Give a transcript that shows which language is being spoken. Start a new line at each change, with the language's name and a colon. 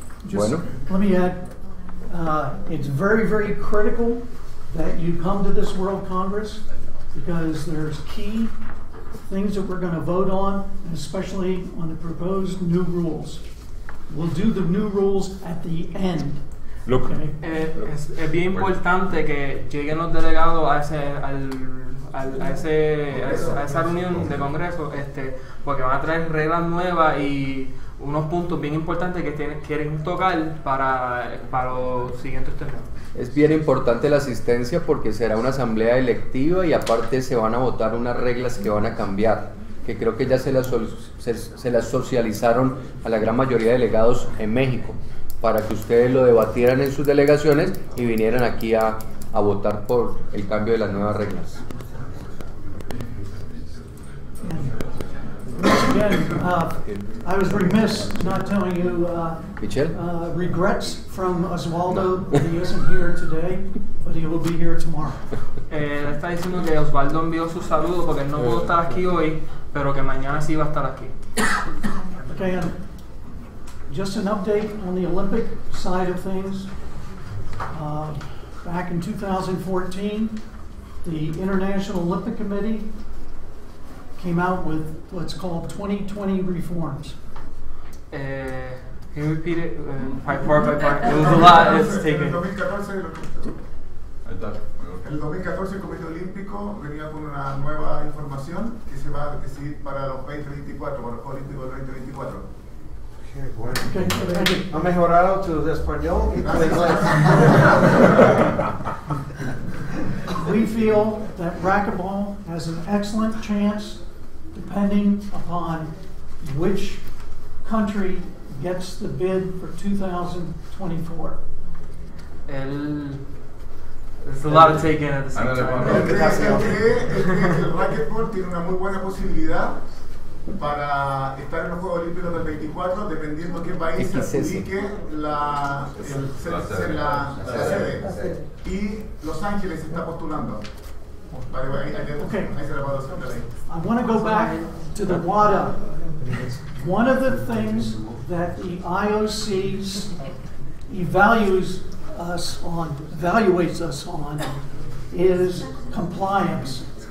English: Let me add, it's very, very critical that you come to this World Congress because there's key things that we're going to vote on, especially on the proposed new rules. We'll do the new rules at the end. Look. Okay.
Spanish: Es bien importante que lleguen los delegados a esa reunión de Congreso, porque van a traer reglas nuevas y unos puntos bien importantes que quieren tocar para los siguientes temas. Es bien importante la asistencia porque será una asamblea electiva y aparte se van a votar unas reglas que van a cambiar, que creo que ya se las socializaron a la gran mayoría de delegados en México, para que ustedes lo debatieran en sus delegaciones y vinieran aquí a votar por el cambio de las nuevas reglas.
English: Once again, I was remiss not telling you regrets from Oswaldo. He isn't here today, but he will be here tomorrow.
Spanish: Está diciendo que Oswaldo envió su saludo porque no pudo estar aquí hoy, pero que mañana sí va a estar aquí.
English: Okay, and just an update on the Olympic side of things. Back in 2014, the International Olympic Committee came out with what's called 2020 reforms. Can you repeat it? Part by part. It was a lot. It's taken.
Spanish: En 2014, el Comité Olímpico venía con una nueva información que se va a decir para los 2024, para los Juegos Olímpicos 2024. Ha mejorado tu español y tu inglés.
English: We feel that racquetball has an excellent chance, depending upon which country gets the bid for 2024. It's a lot of take-in at the same time.
Spanish: El tiene una muy buena posibilidad para estar en los Juegos Olímpicos del 24, dependiendo qué país se ubique la sede. Y Los Ángeles se está postulando.
English: I want to go back to the WADA. One of the things that the IOC evaluates us on is compliance.